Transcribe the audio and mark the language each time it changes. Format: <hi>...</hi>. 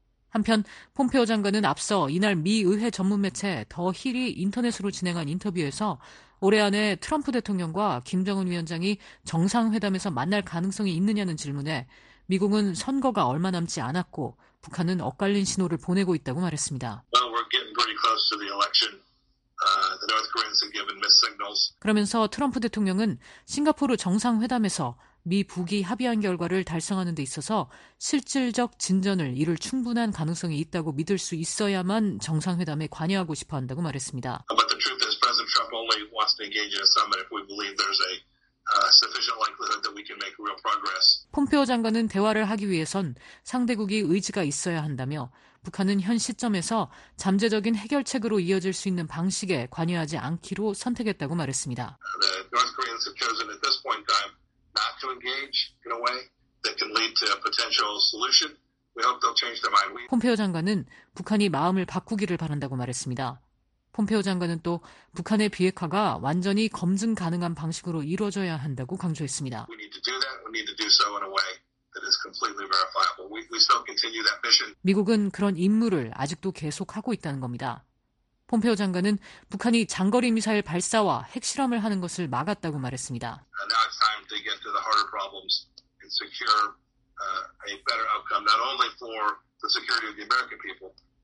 <ko>한편 폼페오 장관은 앞서 이날 미 의회 전문 매체 더 힐이 인터넷으로 진행한 인터뷰에서 올해 안에 트럼프 대통령과 김정은 위원장이 정상회담에서 만날 가능성이 있느냐는 질문에 미국은 선거가 얼마 남지 않았고 북한은 엇갈린 신호를 보내고 있다고 말했습니다.</ko> <en>Well, we're getting pretty close to the election. The North Koreans have given mixed signals.</en> <ko>그러면서 트럼프 대통령은 싱가포르 정상회담에서 미 북이 합의한 결과를 달성하는 데 있어서 실질적 진전을 이룰 충분한 가능성이 있다고 믿을 수 있어야만 정상회담에 관여하고 싶어 한다고 말했습니다.</ko> <en>But the truth is President Trump only wants to engage in a summit if we believe there's a sufficient likelihood that we can make real progress.</en> <ko>폼페오 장관은 대화를 하기 위해선 상대국이 의지가 있어야 한다며 북한은 현 시점에서 잠재적인 해결책으로 이어질 수 있는 방식에 관여하지 않기로 선택했다고 말했습니다.</ko> <en>The North Koreans have chosen at this point in time. Not to engage in a way that can lead to a potential solution. We hope they'll change their mind.</en> <ko>폼페오 장관은 북한이 마음을 바꾸기를 바란다고 말했습니다. 폼페오 장관은 또 북한의 비핵화가 완전히 검증 가능한 방식으로 이루어져야 한다고 강조했습니다.</ko> <en>We need to do that. We need to do so in a way that is completely verifiable. We still continue that mission.</en> <ko>미국은 그런 임무를 아직도 계속하고 있다는 겁니다. 폼페오 장관은 북한이 장거리 미사일 발사와 핵실험을 하는 것을 막았다고 말했습니다.</ko> <en>Now it's time to get to the harder problems and secure a better outcome, not only for the security of the American people,</en>